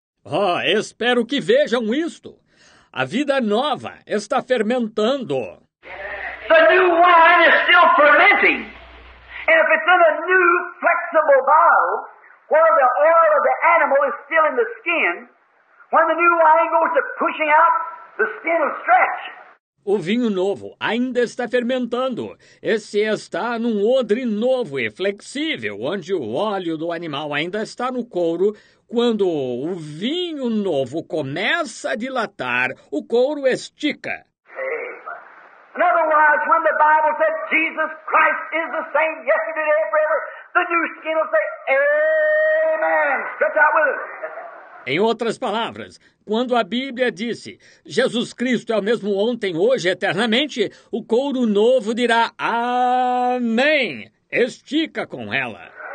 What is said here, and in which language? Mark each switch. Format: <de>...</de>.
<pt>Oh, espero que vejam isto. A vida nova está fermentando.</pt> <en>The new wine is still fermenting. And if it's in a new flexible bottle, where the oil of the animal is still in the skin, when the new wine goes to pushing out, the skin will stretch.</en> <pt>O vinho novo ainda está fermentando. Esse está num odre novo e flexível, onde o óleo do animal ainda está no couro. Quando o vinho novo começa a dilatar, o couro estica.</pt> <en>Amen. In other words, when the Bible says Jesus Christ is the same yesterday and forever, the new skin will say, Amen. Stretch out with us.</en> <pt>Em outras palavras, quando a Bíblia disse Jesus Cristo é o mesmo ontem, hoje e eternamente, o couro novo dirá Amém. Estica com ela.</pt>